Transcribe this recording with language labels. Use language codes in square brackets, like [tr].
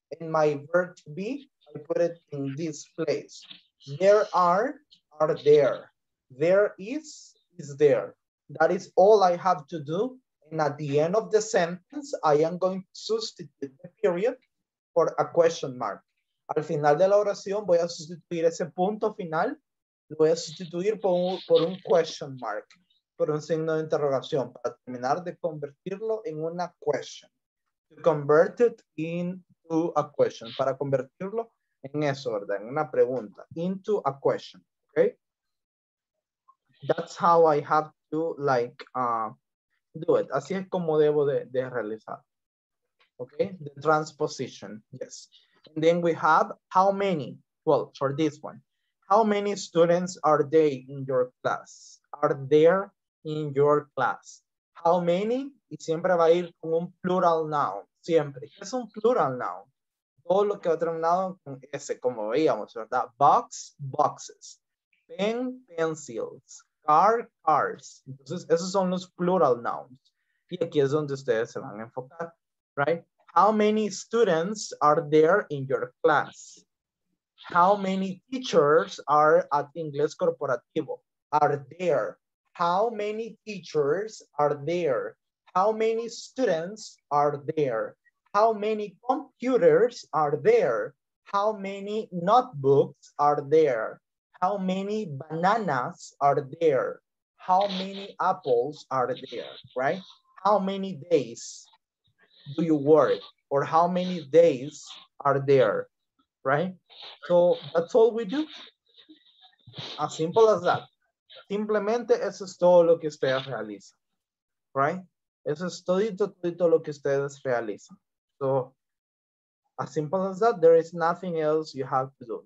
[en] In my verb to be, I put it in this place. There are there. There is there. That is all I have to do. And at the end of the sentence, I am going to substitute the period for a question mark. [es] Al final de la oración, voy a sustituir ese punto final, lo voy a sustituir por un [en] question mark, [es] por un signo de interrogación, para terminar de convertirlo en una question. [en] To convert it into a question, [es] para convertirlo en eso, ¿verdad? En una pregunta, [en] into a question, okay? That's how I have to, like, do it. [es] Así es como debo de realizar. [en] Okay, the transposition, yes. And then we have how many, well, for this one, how many students are they in your class? Are there in your class? How many? [es] Y siempre va a ir con un plural noun, siempre. ¿Qué es un plural noun? Todo lo que va a terminar con S, como veíamos, ¿verdad? [en] Box, boxes. Pen, pencils. Car, cars. [es] Entonces, esos son los plural nouns. Y aquí es donde ustedes se van a enfocar, right? [en] How many students are there in your class? How many teachers are at Inglés Corporativo? Are there? How many teachers are there? How many students are there? How many computers are there? How many notebooks are there? How many bananas are there? How many apples are there, right? How many days do you work? Or how many days are there, right? So that's all we do. As simple as that. [es] Simplemente eso es todo lo que ustedes realizan, right? Eso es todito, todito lo que ustedes realizan. [en] So as simple as that, there is nothing else you have to do.